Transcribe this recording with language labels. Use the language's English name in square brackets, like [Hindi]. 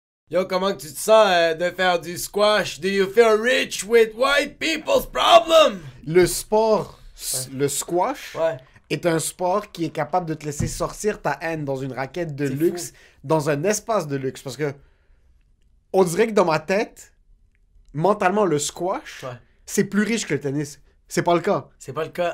[French] Yo, comment tu te sens de faire du squash? [English] Do you feel rich with white people's problem? [French] Le sport, le squash, ouais, est un sport qui est capable de te laisser sortir ta haine dans une raquette de luxe, dans un espace de luxe. Parce que on dirait que dans ma tête, mentalement, le squash, ouais, c'est plus riche que le tennis. C'est pas le cas. C'est pas le cas.